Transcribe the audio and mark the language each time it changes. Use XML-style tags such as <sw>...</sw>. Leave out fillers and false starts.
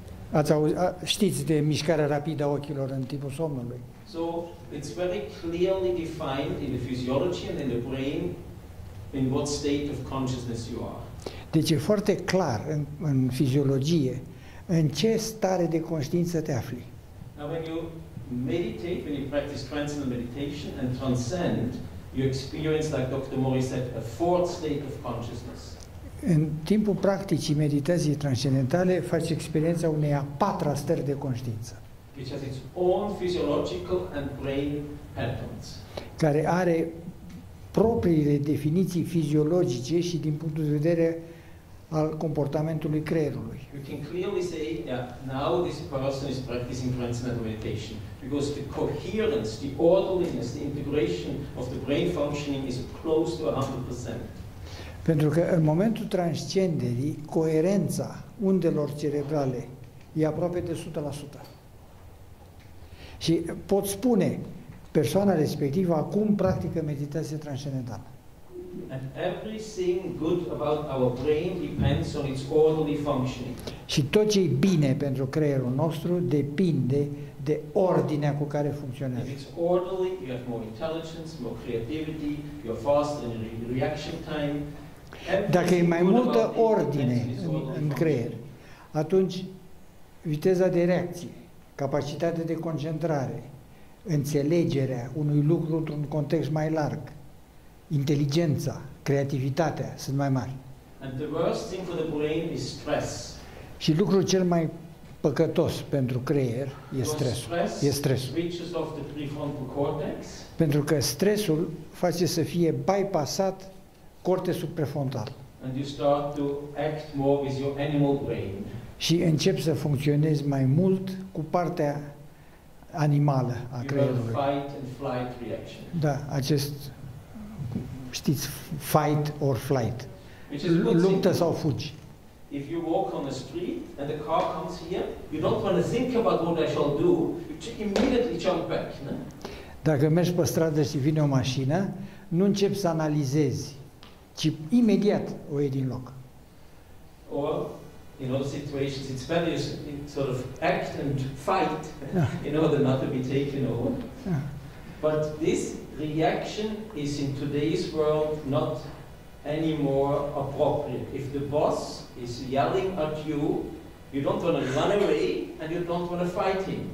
<ro>Ați auzit, știți de mișcarea rapidă a ochilor în timpul somnului.</ro> <en>So, it's very clearly defined in the physiology and in the brain in what state of consciousness you are.</en> <ro>Deci e foarte clar în fiziologie în ce stare de conștiință te afli.</ro> <en>Now, when you meditate, when you practice transcendental meditation and transcend, you experience, like Dr. Mori said, a fourth state of consciousness.</en> <ro>În timpul practicii meditației transcendentale faci experiența unei a patra stări de conștiință.</ro> <en>Which has its own physiological and brain patterns.</en> <ro>Care are propriile definiții fiziologice și din punctul de vedere al comportamentului creierului.</ro> <en>You can clearly say that now this person is practicing transcendental meditation because the coherence, the orderliness, the integration of the brain functioning is close to 100%.</en> <ro>Pentru că în momentul transcenderii, coerența undelor cerebrale e aproape de 100%. Și pot spune, persoana respectivă acum practică meditație transcendentală.</ro> <en>And everything good about our brain depends on its orderly functioning.</en> <ro>Și tot ce e bine pentru creierul nostru depinde de ordinea cu care funcționează.</ro> <en>If it's orderly, you have more intelligence, more creativity, you're faster in reaction time.</en> <ro>Dacă e mai multă ordine în creier, atunci viteza de reacție, capacitatea de concentrare, înțelegerea unui lucru într-un context mai larg, inteligența, creativitatea sunt mai mari.</ro> <en>And the worst thing for the brain is stress.</en> <ro>Și lucrul cel mai păcătos pentru creier e stresul.</ro> <en>Switches off the prefrontal cortex.</en> <ro>Pentru că stresul face să fie bypassat cortexul prefrontal.</ro> <en>And you start to act more with your animal brain.</en> <ro>Și încep să funcționezi mai mult cu partea animală a creierului.</ro> <en>Fight and flight reaction.</en> <ro>Da, acest știți,</ro> <en>fight or flight.</en> <ro>Luptă sau fugi.</ro> <en>If you walk on the street and the car comes here, you don't want to think about what I shall do. You immediately jump back, no?</en> <ro>Dacă mergi pe stradă și vine o mașină, nu începi să analizezi, ci imediat o iei din loc.</ro> <en>Or, in other situations, it's better you sort of act and fight, in order not to be taken over. But this reaction is in today's world not any more appropriate. If the boss is yelling at you, you don't want to run away and you don't want to fight him.</en>